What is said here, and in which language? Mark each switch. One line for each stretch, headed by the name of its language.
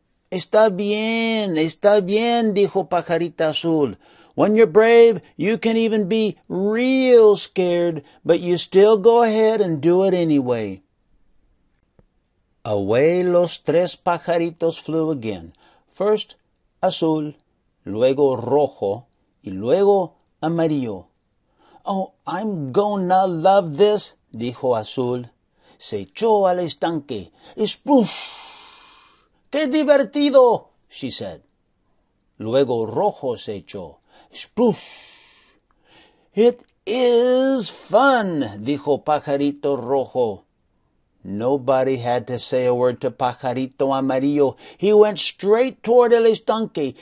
Spanish: Está bien, dijo Pajarita Azul.
English: When you're brave, you can even be real scared, but you still go ahead and do it anyway. Away
Spanish: los tres pajaritos
English: flew again. First
Spanish: Azul, luego Rojo, y luego Amarillo.
English: Oh, I'm gonna love this,
Spanish: dijo Azul. Se echó al estanque. ¡Splush! ¡Qué divertido!
English: She said.
Spanish: Luego Rojo se echó. ¡Splush!
English: It is fun,
Spanish: dijo
English: Pajarito Rojo. Nobody had to say a word to Pajarito Amarillo. He went straight toward
Spanish: el estanque.